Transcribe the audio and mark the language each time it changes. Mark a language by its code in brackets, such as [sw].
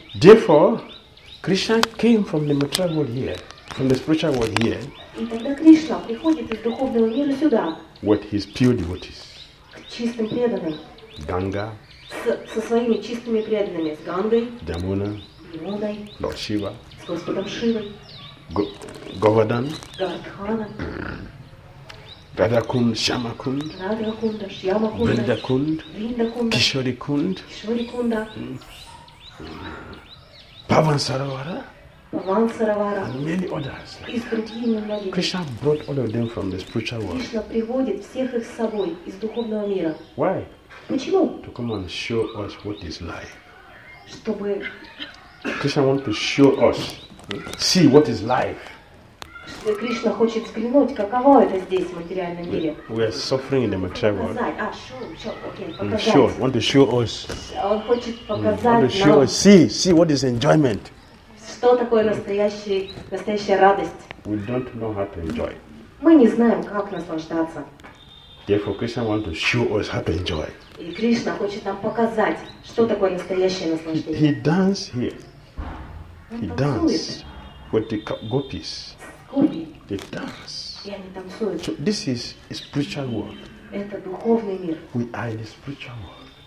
[en] Therefore, Krishna came from the material world here, from the spiritual world here. [ru] И тогда Кришна приходит из духовного мира сюда. [en] With his pure devotees. [ru] К чистым преданным. Ганга. Со своими чистыми преданными, с Гангой. Дамуна. Ямуной. [en] Лорд Шива. [ru] С Господом Шивой. [en] Govardhan, Gardhana, Radhakund, Shyamakund, Radhakunda, Shyamakund, Vrindakund, Vrindakunda, Kishorikund, Kishorikunda, Pavansarovara, Pavansarovara, and many others. Like Krishna brought all of them from the spiritual world. [ru] Кришна приводит всех их с собой из духовного мира. [en] Why? [ru] Почему? [en] To come and show us what is life. [ru] Чтобы [en] Krishna want to show us. See what is life. [ru] Кришна хочет взглянуть, каково это здесь, в материальном мире. [en] We are suffering in the material world. [ru] Показать. [en] Want to show us. [ru] Он хочет показать нам. [en] Want to show us. See what is enjoyment. [ru] Что такое настоящая радость? [en] We don't know how to enjoy. [ru] Мы не знаем, как наслаждаться. [en] Therefore, Krishna want to show us how to enjoy. [ru] И Кришна хочет нам показать, что такое настоящее наслаждение. [en] He dances here. He dance with the gopis. They dance. So this is a spiritual world. [ru] Это духовный мир. [en] We are in the spiritual world.